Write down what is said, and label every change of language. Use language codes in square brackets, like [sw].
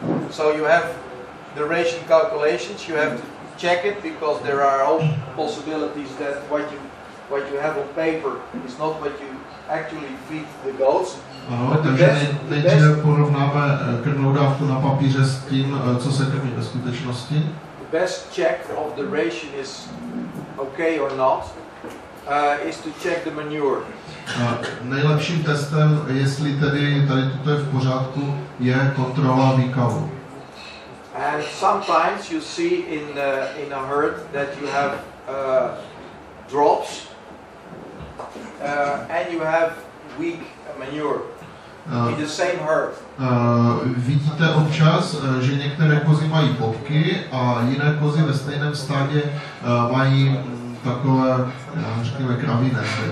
[en] So you have the ration calculations, you have to check it, because there are all possibilities that what you have on paper is not what you actually feed the goats. [cs] Ano, takže nejdříve porovnáme krvnou dávku na papíře s tím, co se krmí ve skutečnosti. [en] The best check of the ration is okay or not, is to check the manure. [cs] Nejlepším testem, jestli tady toto je v pořádku, je kontrola výkavu. [en] And sometimes you see in a herd that you have drops and you have weak manure in the same herd. [cs] Vidíte občas, že některé kozy mají bobky a jiné kozy ve stejném stádě mají takové, řekněme, kravine.